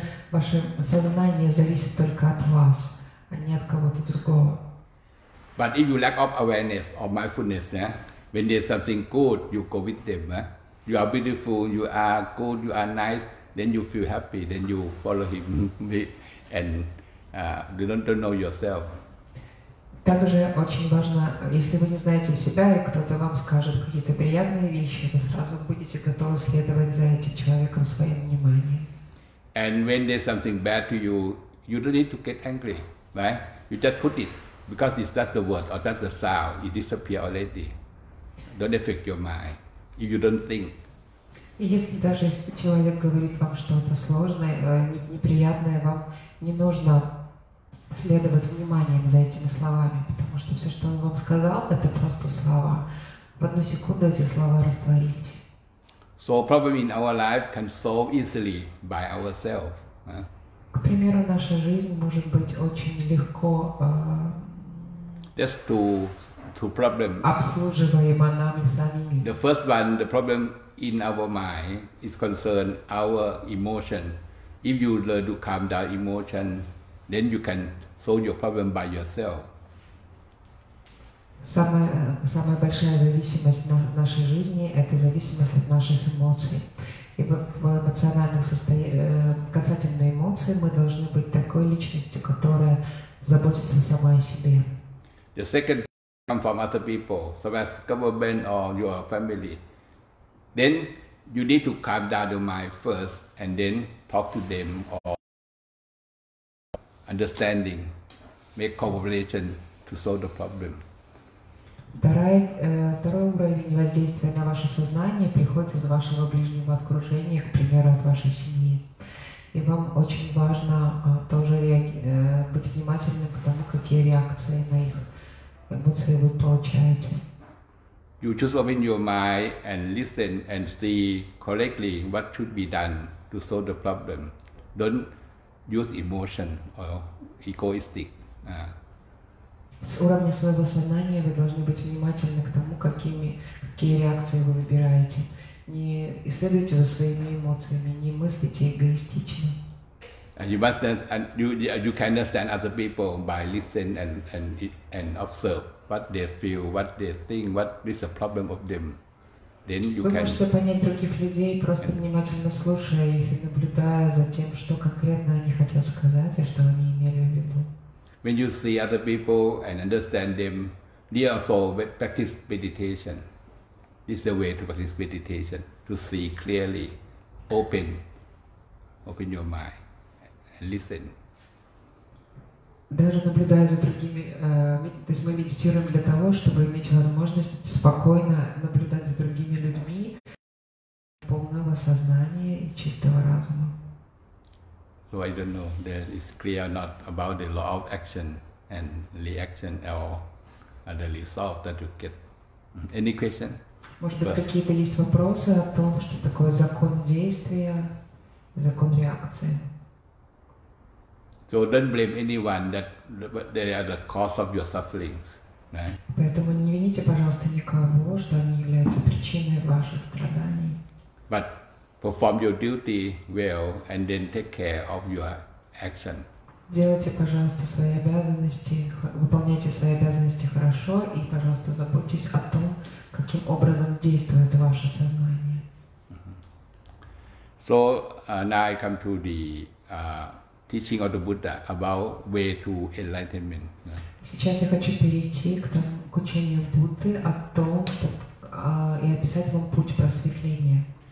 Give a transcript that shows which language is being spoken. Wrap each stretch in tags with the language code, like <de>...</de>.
<ru>Ваше сознание зависит только от вас, а не от кого-то другого.</ru> <en>But if you lack of awareness or mindfulness, when there's something good, you go with them. You are beautiful, you are good, you are nice. Then you feel happy. Then you follow him, and you don't know yourself.</en> <ru>Также очень важно, если вы не знаете себя и кто-то вам скажет какие-то приятные вещи, вы сразу будете готовы следовать за этим человеком своим вниманием.</ru> <en>And when there's something bad to you, you don't need to get angry, right? You just put it because it's just the word or just the sound. It disappears already. Don't affect your mind if you don't think.</en> <ru>И если даже человек говорит вам что-то сложное, неприятное, вам не нужно следовать вниманием за этими словами, потому что все, что он вам сказал, это просто слова. В одну секунду эти слова растворились.</ru> <en>So problem in our life can solve easily by ourselves.</en> <ru>К примеру, наша жизнь может быть очень легко.</ru> <en>Just two problems.</en> <ru>Обслуживаема нами самими.</ru> <en>The first one, the problem. In our mind is concerned our emotion. If you learn to calm down emotion, then you can solve your problem by yourself.</en> <ru>Самая большая зависимость в нашей жизни – это зависимость от наших эмоций. И в эмоциональных состояниях, касательно эмоций, мы должны быть такой личностью, которая заботится сама о себе.</ru> <en>The second come from other people, so as government or your family. Then you need to calm down your mind first and then talk to them or understanding, make cooperation to solve the problem.</en> <ru>Второй уровень воздействия на ваше сознание приходит из вашего ближнего окружения, к примеру, от вашей семьи. И вам очень важно тоже быть внимательным к тому, какие реакции на их эмоции вы получаете.</ru> <en>You just open your mind and listen and see correctly what should be done to solve the problem. Don't use emotion or egoistic.</en> <ru>С уровня своего сознания вы должны быть внимательны к тому, какие реакции вы выбираете. Не исследуйте за своими эмоциями, не мыслите эгоистично.</ru> <en>And you must you can understand other people by listening and observe what they feel, what they think, what is the problem of them. Then you can.</en> <ru>Вы можете понять других людей, просто внимательно слушая их и наблюдая за тем, что конкретно они хотят сказать и что они имели в виду.</ru> <en>When you see other people and understand them, they also practice meditation. It's the way to practice meditation, to see clearly, open your mind. Listen.</en> <ru>Даже наблюдая за другими, то есть мы медитируем для того, чтобы иметь возможность спокойно наблюдать за другими людьми полного сознания и чистого разума.</ru> <en>So I don't know that it's clear or not about the law of action and reaction or the result that you get. Any question?</en> <ru>Может быть, какие-то есть вопросы о том, что такое закон действия, закон реакции?</ru> <en>So don't blame anyone that they are the cause of your sufferings, right?</en> <ru>Поэтому не вините, пожалуйста, никого, что они являются причиной ваших страданий.</ru> <en>But perform your duty well and then take care of your action.</en> <ru>Делайте, пожалуйста, свои обязанности, выполняйте свои обязанности хорошо и, пожалуйста, заботьтесь о том, каким образом действует ваше сознание.</ru> <en>So now I come to the teaching of the Buddha about way to enlightenment.</en> <ru>Сейчас я хочу перейти к учению Будды о том, и описать вам путь просветления.</ru>